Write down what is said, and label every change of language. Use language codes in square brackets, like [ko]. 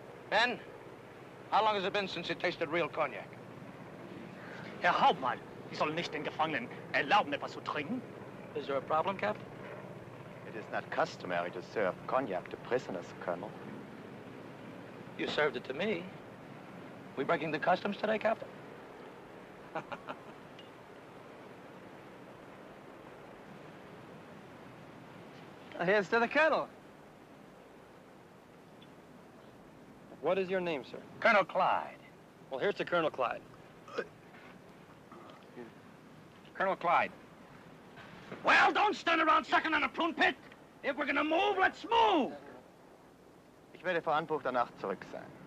[en] Ben, how long has it been since you tasted real cognac? [de] Herr Hauptmann, Sie sollen nicht den Gefangenen erlauben, etwas zu trinken. [en] Is there a problem, Captain? It is not customary to serve cognac to prisoners, Colonel. You served it to me. We breaking the customs today, Captain? Well, here's to the Colonel. What is your name, sir? Colonel Clyde. Well, here's to Colonel Clyde. Colonel Clyde. Well, don't stand around sucking on a prune pit! If we're gonna move, let's move! [de] Ich werde vor Anbruch der Nacht zurück sein.